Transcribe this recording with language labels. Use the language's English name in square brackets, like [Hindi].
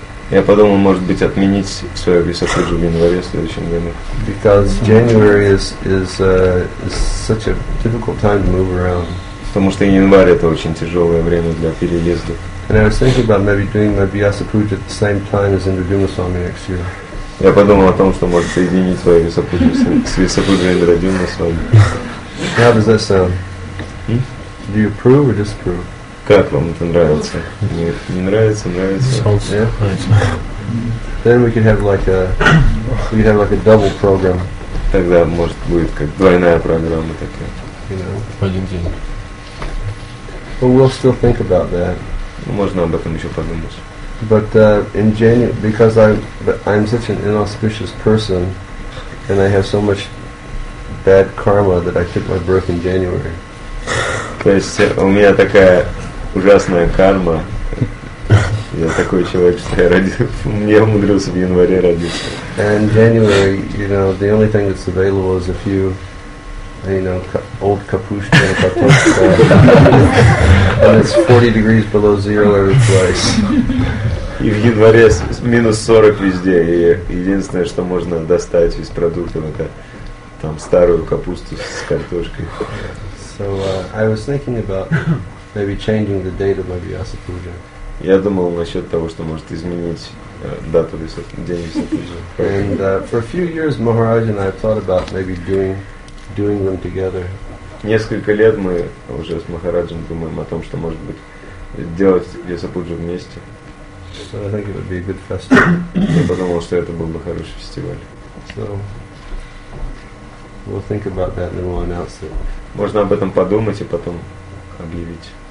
[Russian] Я подумал, может быть, отменить свою Vyasapuja в январе следующем году. [English] Because January is such a difficult time to move around. [Russian] Потому что январь — это очень тяжелое время для переезда. [English] And I was thinking about maybe doing my Vyasapuja at the same time as Indradyumaswami next year. [Russian] Я подумал о том, что может соединить свою Vyasapuja с Vyasapuja Indradyumaswami. [English] How does that sound? Do you approve or disapprove? [Russian] Как вам это нравится? Не нравится, нравится. [English] Then we could have like a double program. [Russian] Тогда может будет как двойная программа такая. Один день. [English] But we'll still think about that. [Russian] Можно об этом еще подумать. [English] But in January, because I'm such an inauspicious person, and I have so much bad karma that I took my birth in January. [Russian] То есть у меня такая ужасная карма. Я такой человек, что я родился. Я умудрился в январе родиться. [English] And January, you know, the only thing that's available is a few. You know, old kapushka and kapushka. And it's 40 degrees below zero every place. [Russian] И в январе минус 40 везде. И единственное, что можно достать из продуктов, это там старую капусту с картошкой. [English] So I was thinking about maybe changing the date of my Vyasapuja. [Russian] Я думал насчет того, что может изменить дату Vyasapuja. [English] And for a few years, Maharaj and I have thought about maybe doing them together. [Russian] Несколько лет мы уже с Махараджем думаем о том, что может быть делать Vyasapuja вместе. [English] So I think it would be a good festival. [Russian] Я подумал, что это был бы хороший фестиваль. [English] So we'll think about that and we'll announce it. [Russian] Можно об этом подумать и потом объявить.